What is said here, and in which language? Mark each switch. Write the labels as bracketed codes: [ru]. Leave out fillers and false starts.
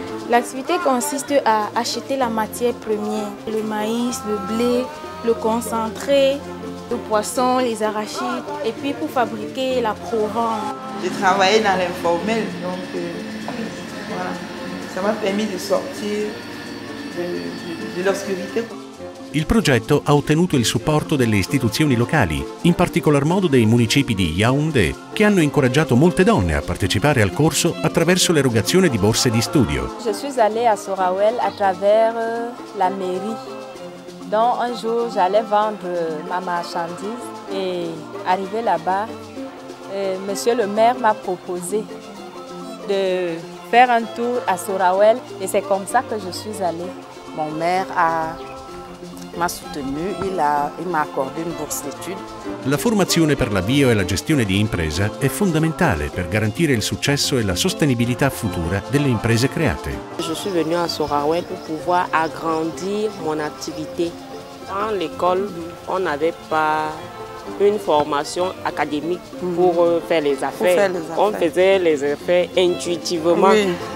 [fr] L'activité consiste à acheter la matière première, le maïs, le blé, le concentré, le poisson, les arachides, et puis pour fabriquer la provende. J'ai travaillé dans l'informel, donc voilà. Ça m'a permis de sortir de l'obscurité. [it] Il progetto ha ottenuto il supporto delle istituzioni locali, in particolar modo dei municipi di Yaoundé, che hanno incoraggiato molte donne a partecipare al corso attraverso l'erogazione di borse di studio. [fr] Je suis allée à Sorawel à travers la mairie. Donc un jour j'allais vendre ma marchandise et arrivé là-bas, monsieur le maire m'a proposé de faire un tour à Sorawel et c'est comme ça que je suis allée. Mon maire a m'ha soutenu, il m'ha accordé une bourse d'études. [it] La formazione per l'avvio e la gestione di impresa è fondamentale per garantire il successo e la sostenibilità futura delle imprese create. [fr] Je suis venue à Sorawel pour pouvoir agrandir mon activité. Dans l'école, on n'avait pas une formation académique pour faire les affaires. On faisait les affaires intuitivement. Oui.